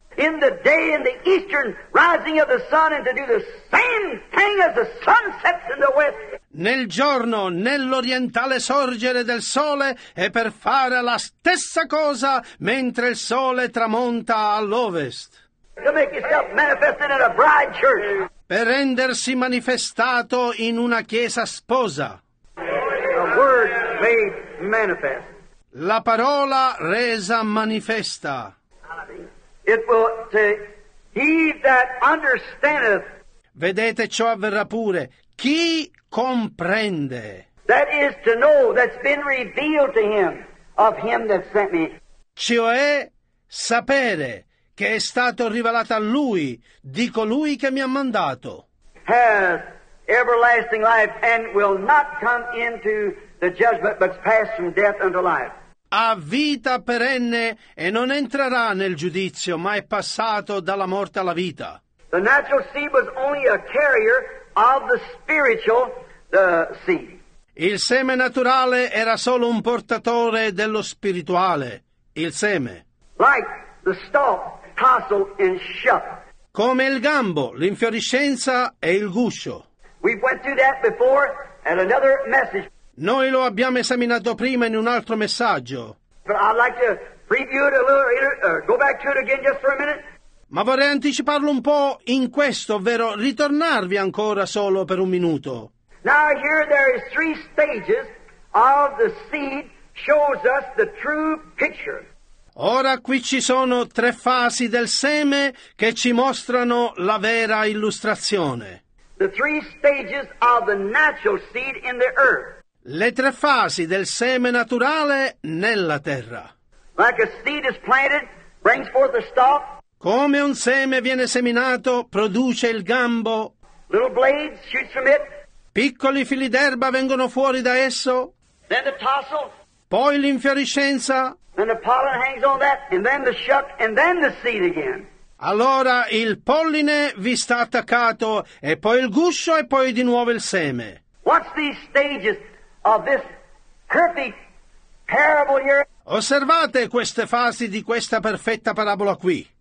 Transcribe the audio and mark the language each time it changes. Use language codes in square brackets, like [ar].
[en] In the day in the eastern rising of the sun, and to do the same thing as the sun sets in the west. [it] Nel giorno nell'orientale sorgere del sole e per fare la stessa cosa mentre il sole tramonta all'ovest. [en] To make yourself manifested in a bride church. [it] Per rendersi manifestato in una chiesa sposa. [en] The word made manifest. [it] La parola resa manifesta. [en] It will say, he that understandeth. [it] Vedete, ciò avverrà pure. Chi comprende? [en] That is to know, that's been revealed to him, of him that sent me. [it] Cioè, sapere che è stato rivelato a lui, di colui che mi ha mandato. [en] Has everlasting life and will not come into the judgment, but pass from death unto life. [it] ha vita perenne e non entrerà nel giudizio, ma è passato dalla morte alla vita. [en] The natural seed was only a carrier of the spiritual seed. [it] Il seme naturale era solo un portatore dello spirituale, il seme. [en] Like the stalk tousled and shut. [it] Come il gambo, l'infiorescenza e il guscio. [en] We went through that before at another message. [it] Noi lo abbiamo esaminato prima in un altro messaggio. [en] But I'd like to preview it a little, go back to it again just for a minute. [it] Ma vorrei anticiparlo un po' in questo, ovvero ritornarvi ancora solo per un minuto. [en] Now here there is three stages of the seed shows us the true picture. [it] Ora qui ci sono tre fasi del seme che ci mostrano la vera illustrazione. [en] The three stages of the natural seed in the earth. [it] Le tre fasi del seme naturale nella terra. [en] Like a seed is planted, brings forth a stalk. [it] Come un seme viene seminato, produce il gambo. [en] Little blades shoots from it. [it] Piccoli fili d'erba vengono fuori da esso. [en] Then the tassel. [it] Poi l'infiorescenza. [en] Then the pollen hangs on that, and then the shuck, and then the seed again. [it] Allora il polline vi sta attaccato, e poi il guscio, e poi di nuovo il seme. [en] Watch these stages of this perfect parable here. [it] Osservate queste fasi di questa perfetta parabola qui.